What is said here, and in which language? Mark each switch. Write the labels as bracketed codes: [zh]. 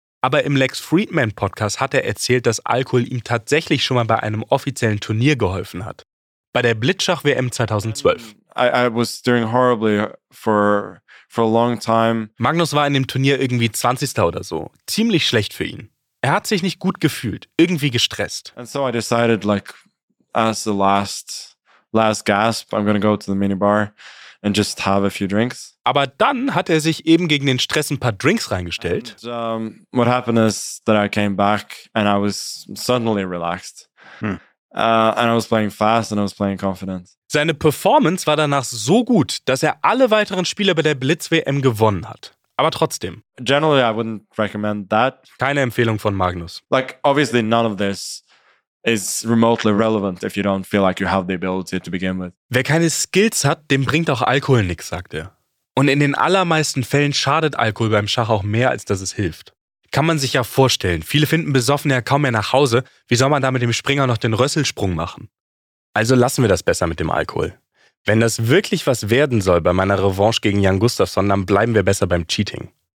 [de] Aber im Lex Friedman Podcast hat er erzählt, dass Alkohol ihm tatsächlich schon mal bei einem offiziellen Turnier geholfen hat. Bei der Blitzschach-WM 2012. [en] I was doing horribly for a long time. [de] Magnus war in dem Turnier irgendwie 20. oder so. Ziemlich schlecht für ihn. Er hat sich nicht gut gefühlt, irgendwie gestresst. [en] And so I decided, like, as the last gasp, I'm gonna go to the minibar and just have a few drinks. [de] Aber dann hat er sich eben gegen den Stress ein paar Drinks reingestellt. [en] And, what happened is that I came back and I was suddenly relaxed. And I was playing fast and I was playing confident. [de] Seine Performance war danach so gut, dass er alle weiteren Spiele bei der Blitz-WM gewonnen hat. Aber trotzdem. [en] Generally, I wouldn't recommend that. [de] Keine Empfehlung von Magnus. [en] Like, obviously none of this is remotely relevant if you don't feel like you have the ability to begin with. [de] Wer keine Skills hat, dem bringt auch Alkohol nichts, sagt er. Und in den allermeisten Fällen schadet Alkohol beim Schach auch mehr, als dass es hilft. Kann man sich ja vorstellen. Viele finden besoffen ja kaum mehr nach Hause. Wie soll man da mit dem Springer noch den Rösselsprung machen? Also lassen wir das besser mit dem Alkohol. Wenn das wirklich was werden soll bei meiner Revanche gegen Jan Gustafsson, dann bleiben wir besser beim Cheating.